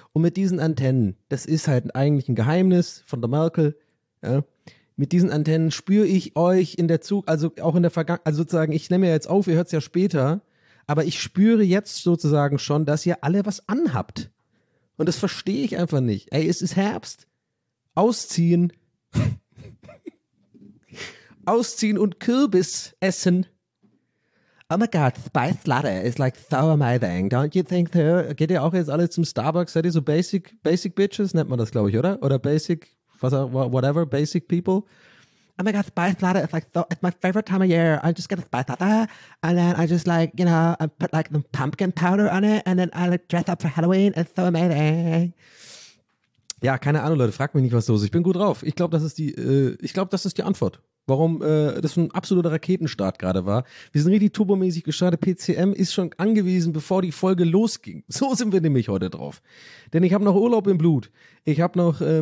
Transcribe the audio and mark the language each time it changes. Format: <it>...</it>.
<de>Und mit diesen Antennen, das ist halt eigentlich ein Geheimnis von der Merkel, ja, mit diesen Antennen spüre ich euch in der Zug, also auch in der Vergangenheit, also sozusagen, ich nehme ja jetzt auf, ihr hört es ja später, aber ich spüre jetzt sozusagen schon, dass ihr alle was anhabt. Und das verstehe ich einfach nicht. Ey, es ist Herbst. Ausziehen. Ausziehen und Kürbis essen.</de> <en>Oh my God, Spice Latte is like so amazing. Don't you think so?</en> <de>Geht ihr auch jetzt alle zum Starbucks? Seid ihr so basic bitches? Nennt man das, glaube ich, oder?</de> <en>Oder basic, whatever, basic people? Oh my God, Spice Latte, it's my favorite time of year. I just get a Spice Latte, and then I just like, you know, I put like the pumpkin powder on it, and then I like dress up for Halloween, it's so amazing.</en> <de>Ja, keine Ahnung, Leute, fragt mich nicht, was los ist. Ich bin gut drauf. Ich glaube, das ist die Antwort, warum das ein absoluter Raketenstart gerade war. Wir sind richtig turbomäßig gestartet. PCM ist schon angewiesen, bevor die Folge losging. So sind wir nämlich heute drauf. Denn ich habe noch Urlaub im Blut. Ich habe noch...</de>